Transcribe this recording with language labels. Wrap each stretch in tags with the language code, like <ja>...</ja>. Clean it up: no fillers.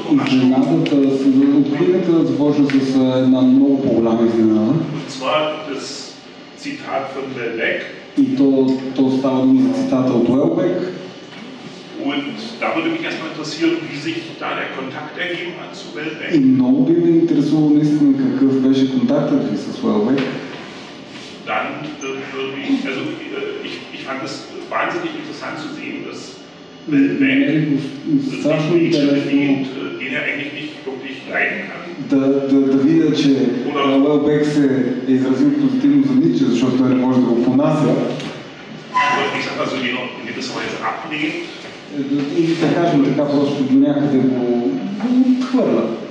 <de>Überraschung. Und zwar das Zitat von Welbeck. Und da würde mich erstmal interessieren, wie sich da der Kontakt ergeben hat zu Welbeck.</de> <bg>И много би ме интересувало наистина какъв беше контактът ви с Welbeck.</bg> <de>Dann würde ich, also ich fand es wahnsinnig interessant zu sehen, dass Welbeck Sachen Nietzsche bedient, den er eigentlich nicht wirklich leiden kann.</de> <bg>Да видя, че Welbeck се е изразил позитивно за Nietzsche, защото той не може да го понася.</bg> <de>Und ich sag also, die noch in gewisser Weise ablehnt.</de> <bg>Или да кажем така просто до някъде го хвърля.</bg>